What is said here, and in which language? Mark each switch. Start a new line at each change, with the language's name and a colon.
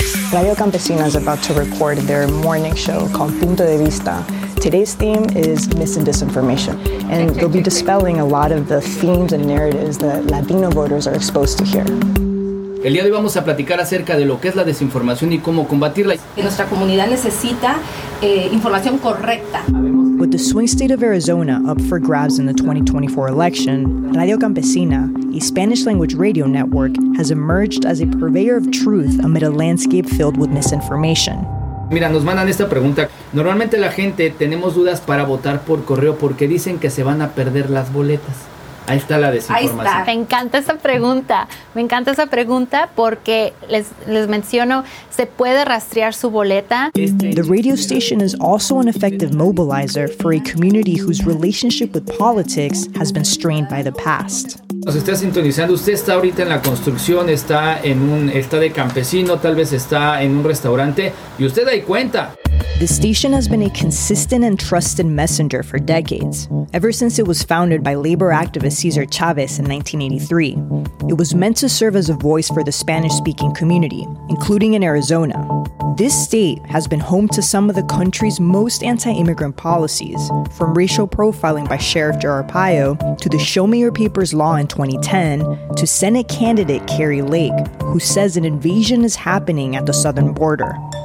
English: Radio Campesina is about to record their morning show called Punto de Vista. Today's theme is mis and disinformation, and they'll be dispelling a lot of the themes and narratives that Latino voters are exposed to here.
Spanish: El día de hoy vamos a platicar acerca de lo que es la desinformación y cómo combatirla. Nuestra comunidad necesita información correcta.
English: With the swing state of Arizona up for grabs in the 2024 election, Radio Campesina, a Spanish-language radio network, has emerged as a purveyor of truth amid a landscape filled with misinformation.
Spanish: Mira, nos mandan esta pregunta. Normalmente la gente tenemos dudas para votar por correo porque dicen que se van a perder las boletas. Ahí está la desinformación. Ahí está. Me encanta esa pregunta. Me encanta esa pregunta porque les menciono, se puede rastrear su boleta.
English: The radio station is also an effective mobilizer for a community whose relationship with politics has been strained by the past.
Spanish: nos está sintonizando, usted está ahorita en la construcción, está de campesino, tal vez está en un restaurante, y usted ahí cuenta.
English: The station has been a consistent and trusted messenger for decades, ever since it was founded by labor activist Cesar Chavez in 1983. It was meant to serve as a voice for the Spanish-speaking community, including in Arizona. This state has been home to some of the country's most anti-immigrant policies, from racial profiling by Sheriff Joe Arpaio, to the Show Me Your Papers law in 2010, to Senate candidate Carrie Lake, who says an invasion is happening at the southern border.